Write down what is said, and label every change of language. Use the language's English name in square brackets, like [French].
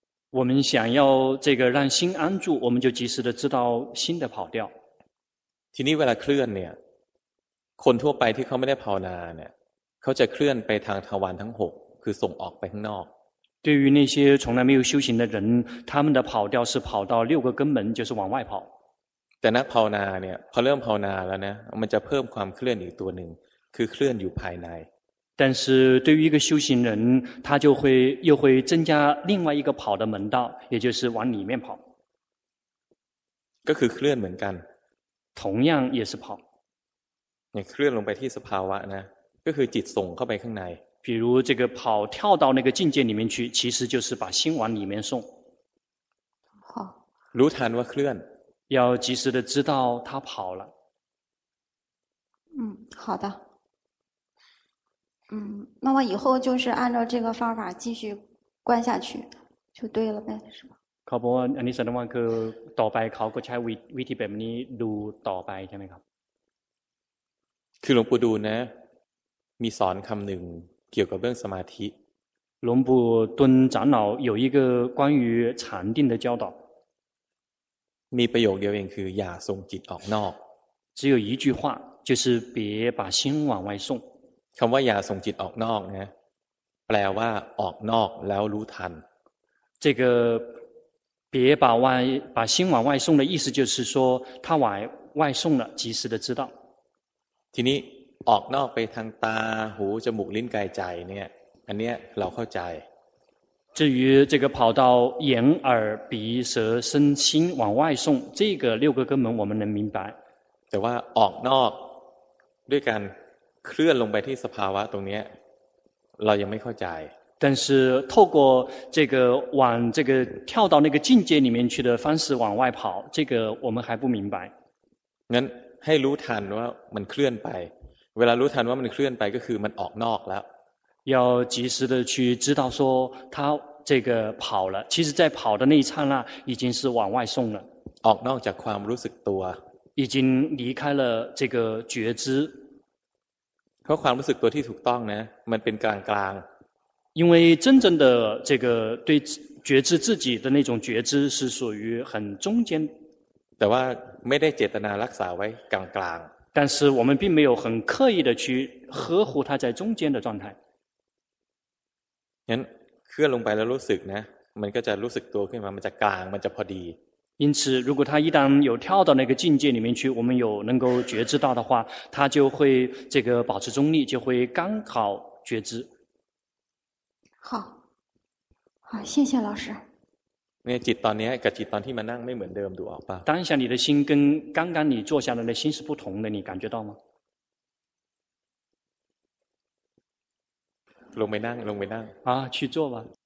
[Chinese] 我们想要这个让心安住，我们就及时的知道心的跑掉。 [Thai] ทีนี้เวลาเคลื่อนเนี่ย，คนทั่วไปที่เขาไม่ได้ภาวนาเนี่ย，เขาจะเคลื่อนไปทางทวารทั้งหก，คือส่งออกไปข้างนอก。 [Chinese] 对于那些从来没有修行的人，他们的跑掉是跑到六个根门，就是往外跑。 [Thai] แต่นักภาวนาเนี่ยพอเริ่มภาวนาแล้วนะมันจะเพิ่มความเคลื่อนอีกตัวหนึ่งคือเคลื่อนอยู่ภายใน [Chinese] 但是对于一个修行人他就会又会增加另外一个跑的门道也就是往里面跑 [Thai] ก็คือเคลื่อนเหมือนกัน [Chinese] 同样也是跑 [Thai] เคลื่อนลงไปที่สภาวะนะก็คือจิตส่งเข้าไปข้างใน [Chinese] 比如这个跑跳到那个境界里面去其实就是把心往里面送好 [Thai] รู้ทันว่าเคลื่อน [Chinese] 要及时的知道他跑了。好的。那么以后就是按照这个方法继续关下去就对了呗是吧 [Thai] เขาบอกว่าอันนี้แสดงว่าคือต่อไปเขาก็ใช้วิธีแบบนี้ดูต่อไปใช่ไหมครับ คือหลวงปู่ดูลนะมีสอนคำหนึ่งเกี่ยวกับเรื่องสมาธิ [Chinese] 龙布敦长老有一个关于禅定的教导 [Thai] มีประโยคเดียวเองคืออย่าส่งจิตออกนอก [Chinese] 只有一句话就是别把心往外送 [Thai] คำว่าอย่าส่งจิตออกนอกนะแปลว่าออกนอกแล้วรู้ทัน [Chinese] 这个别把外把心往外送的意思就是说他往外送了及时的知道 [Thai] ทีนี้ออกนอกไปทางตาหูจมูกลิ้นกายใจเนี่ยอันเนี้ยเราเข้าใจ [Chinese] 至于这个跑到眼耳鼻舌身心往外送这个六个根本我们能明白 [Thai] แต่ว่าออกนอกด้วยการเคลื่อนลงไปที่สภาวะตรงนี้เรายังไม่เข้าใจ [Chinese] 但是透过这个往这个跳到那个境界里面去的方式往外跑这个我们还不明白 [Thai] งั้นให้รู้ทันว่ามันเคลื่อนไปเวลารู้ทันว่ามันเคลื่อนไปก็คือมันออกนอกแล้ว [Chinese] 要及时的去知道说他这个跑了其实在跑的那一刹那已经是往外送了 [Thai] ออกนอกจากความรู้สึกตัว [Chinese] 已经离开了这个觉知 [Thai] เพราะความรู้สึกตัวที่ถูกต้องนะมันเป็นกลางกลาง [Chinese] 因为真正的这个对觉知自己的那种觉知是属于很中间 [Thai] แต่ว่าไม่ได้เจตนารักษาไว้กลางกลาง [Chinese] 但是我们并没有很刻意的去呵护它在中间的状态 [Thai] งั้นเคลื่อนลงไปแล้วรู้สึกนะมันก็จะรู้สึกตัวขึ้นมามันจะกลางมันจะพอดี [Chinese] 因此如果他一旦有跳到那个境界里面去我们有能够觉知到的话他就会这个保持中立就会刚好觉知好好谢谢老师 [Thai] เนี่ยจิตตอนนี้กับจิตตอนที่มานั่งไม่เหมือนเดิมดูออกป่ะ [Chinese] 当下你的心跟刚刚你坐下来的心是不同的你感觉到吗 [Thai] ลงไปนั่งลงไปนั่ง [Chinese] อ่า去坐吧